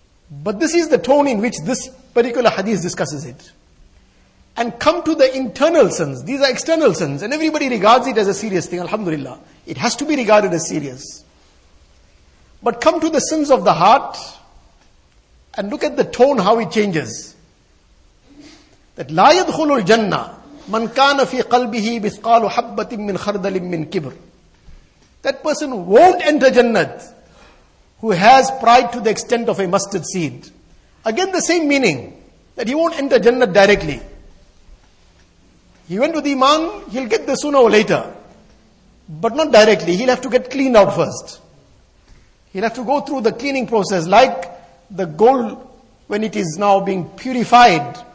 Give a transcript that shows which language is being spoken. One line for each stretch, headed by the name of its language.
English: But this is the tone in which this particular hadith discusses it. And come to the internal sins. These are external sins. And everybody regards it as a serious thing, alhamdulillah. It has to be regarded as serious. But come to the sins of the heart. And look at the tone, how it changes.
Arabic: That لا يدخل الجنة من كان في قلبه مثقال حبة من خردل من كبر.
English: That person won't enter Jannat who has pride to the extent of a mustard seed. Again, the same meaning, that he won't enter Jannat directly. He went with Iman, he'll get there sooner or later. But not directly, he'll have to get cleaned out first. He'll have to go through the cleaning process, like the gold when it is now being purified.